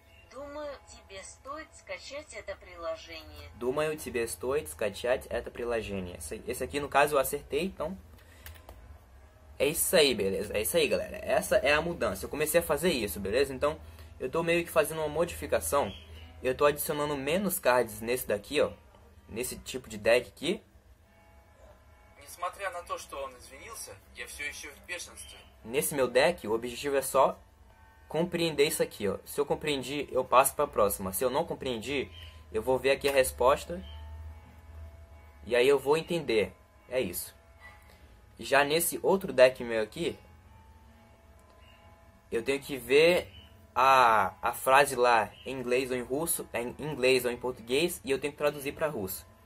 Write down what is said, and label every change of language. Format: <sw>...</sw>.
<ru>Думаю, тебе стоит скачать это приложение. Думаю, тебе стоит скачать это приложение.</ru> <pt>Esse aqui, no caso, eu acertei, então... É isso aí, beleza? É isso aí, galera. Essa é a mudança. Eu comecei a fazer isso, beleza? Então, eu tô meio que fazendo uma modificação. Eu tô adicionando menos cards nesse daqui, ó. Nesse tipo de deck aqui.</pt> <ru>Несмотря на то, что он извинился, я все еще в бешенстве.</ru> <pt>Nesse meu deck, o objetivo é só compreender isso aqui, ó. Se eu compreendi, eu passo para a próxima. Se eu não compreendi, eu vou ver aqui a resposta e aí eu vou entender. É isso. Já nesse outro deck meu aqui, eu tenho que ver a frase lá em inglês ou em russo, em inglês ou em português, e eu tenho que traduzir para russo.</pt>